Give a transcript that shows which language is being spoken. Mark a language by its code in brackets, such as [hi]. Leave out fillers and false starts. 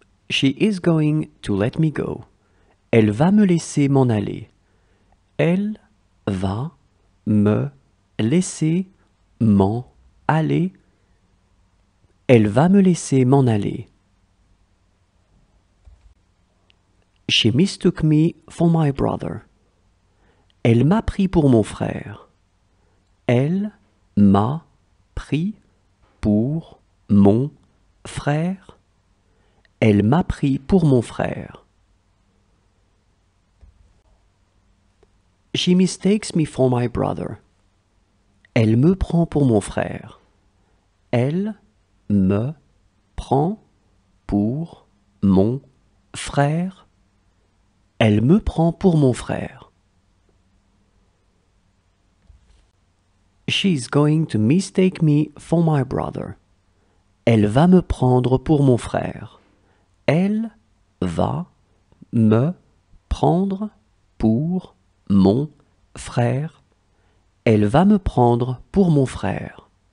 [en] She is going to let me go. [fr] Elle va me laisser m'en aller. Elle va me laisser m'en aller. Elle va me laisser m'en aller. [en] She mistook me for my brother. [fr] Elle m'a pris pour mon frère. Elle m'a pris pour mon frère. Elle m'a pris pour mon frère. [en] She mistakes me for my brother. [fr] Elle me prend pour mon frère. Elle me prend pour mon frère. Elle me prend pour mon frère. [en] She is going to mistake me for my brother. [fr] Elle va me prendre pour mon frère. Elle va me prendre pour mon frère. Elle va me prendre pour mon frère.